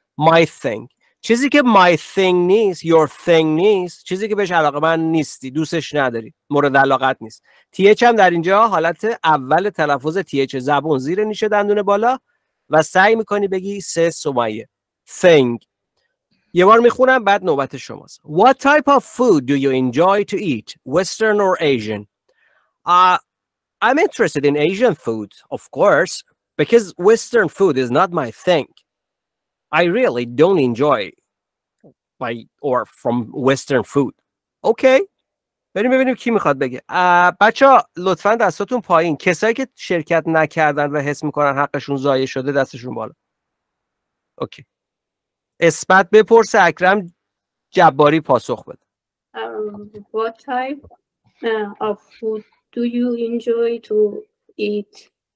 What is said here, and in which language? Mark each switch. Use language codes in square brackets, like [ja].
[en] My thing، [fa] چیزی که my thing نیست، your thing نیست، چیزی که بهش علاقه‌مند نیستی، دوستش نداری، مورد علاقت نیست. TH هم در اینجا حالت اول تلفظ TH، زبون زیر نیش دندون بالا و سعی میکنی بگی سه سمیه. [en] Thing. [fa] یه بار میخونم بعد نوبت شماست. [en] What type of food do you enjoy to eat, Western or Asian? I'm interested in Asian food, of course, because Western food is not my thing. I really don't enjoy from Western food. Okay. [fa] بریم ببینیم کی میخواد بگه. بچه ها لطفا دستاتون پایین. کسایی که شرکت نکردن و حس میکنن حقشون ضایع شده دستشون بالا. [en] Okay. [fa] اسمت بپرس، اکرم جباری پاسخ بده. [en] What type of food do you enjoy to eat?